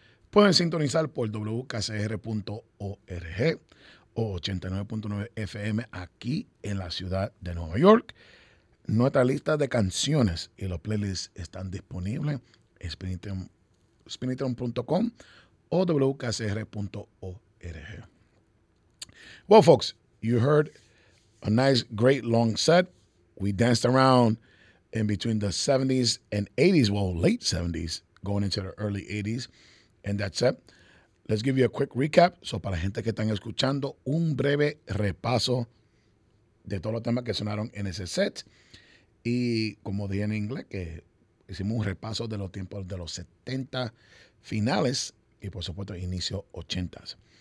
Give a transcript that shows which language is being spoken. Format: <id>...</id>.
<es>pueden sintonizar por WKCR.org o 89.9 FM aquí en la ciudad de Nueva York. Nuestra lista de canciones y los playlists están disponibles en spinitron.com o WKCR.org.</es> <en>Well, folks, you heard a nice, great, long set. We danced around in between the 70s and 80s, well, late 70s, going into the early 80s. And that's it. Let's give you a quick recap.</en> <es>So, para gente que están escuchando, un breve repaso de todos los temas que sonaron en ese set. Y como dije en inglés, que hicimos un repaso de los tiempos de los 70 finales y, por supuesto, inicio 80s.</es>